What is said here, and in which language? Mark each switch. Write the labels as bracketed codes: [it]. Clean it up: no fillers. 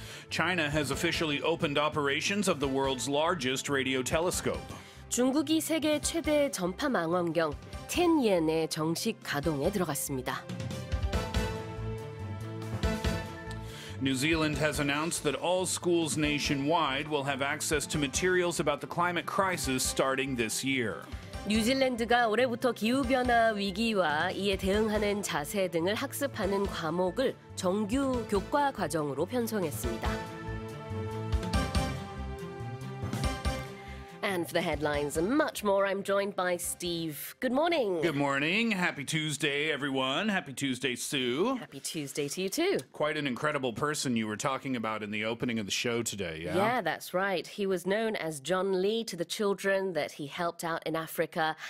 [en] China has officially opened operations of the world's largest radio telescope. [ko] 중국이 세계 최대 전파 망원경 텐옌의 정식 가동에 들어갔습니다. [en] New Zealand has announced that all schools nationwide will have access to materials about the climate crisis starting this year. [ko] 뉴질랜드가 올해부터 기후 변화 위기와 이에 대응하는 자세 등을 학습하는 과목을 정규 교과 과정으로 편성했습니다. [en] And for the headlines and much more, I'm joined by Steve. Good morning. Good morning. Happy Tuesday, everyone. Happy Tuesday, Sue. Happy Tuesday to you, too. Quite an incredible person you were talking about in the opening of the show today, yeah? Yeah, that's right. He was known as John Lee to the children that he helped out in Africa.